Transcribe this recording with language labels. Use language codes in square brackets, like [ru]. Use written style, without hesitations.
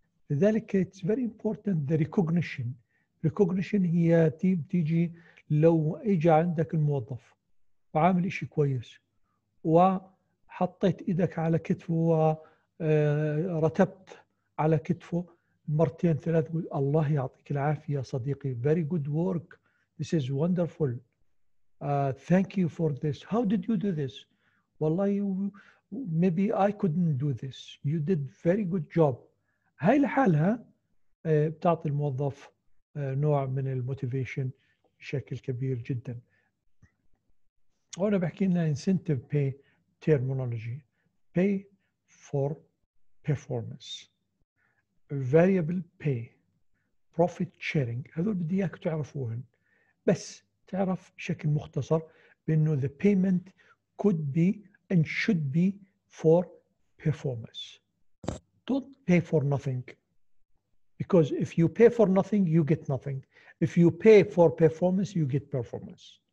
[ar] لذلك [en] it's very important the recognition. Recognition [ar] هي تيجي لو إجا عندك الموظف وعامل إشي كويس وحطيت إيدك على كتفه ورتبت على كتفه مرتين ثلاث، الله يعطيك العافية صديقي، [en] very good work, this is wonderful, thank you for this, how did you do this, [ar] والله [en] maybe I couldn't do this, you did very good job. [ar] هاي لحالها بتعطي الموظف نوع من الموتيفيشن بشكل كبير جدا. وانا بحكي لنا [en] incentive pay terminology, pay for performance, variable pay, profit sharing. [ar] هذول بدي اياك تعرفوهن، بس تعرف بشكل مختصر بانه [en] the payment could be and should be for performance. Don't pay for nothing, because if you pay for nothing, you get nothing. If you pay for performance, you get performance.